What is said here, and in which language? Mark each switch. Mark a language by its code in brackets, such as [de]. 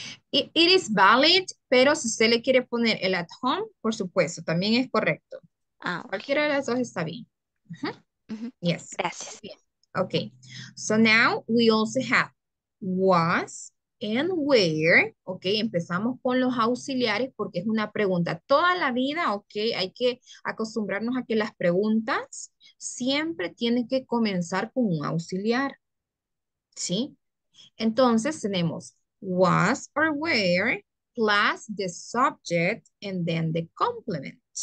[en] It is valid, [es] pero si usted le quiere poner el at home, por supuesto, también es correcto. [en] Ah, okay. [es] Cualquiera de las dos está bien. [en] Yes. [es] Gracias. [en] Okay. So now we also have was and where. Okay. [es] Empezamos con los auxiliares porque es una pregunta. Toda la vida, okay, hay que acostumbrarnos a que las preguntas siempre tienen que comenzar con un auxiliar. ¿Sí? Entonces tenemos [en] was or where plus the subject and then the complement.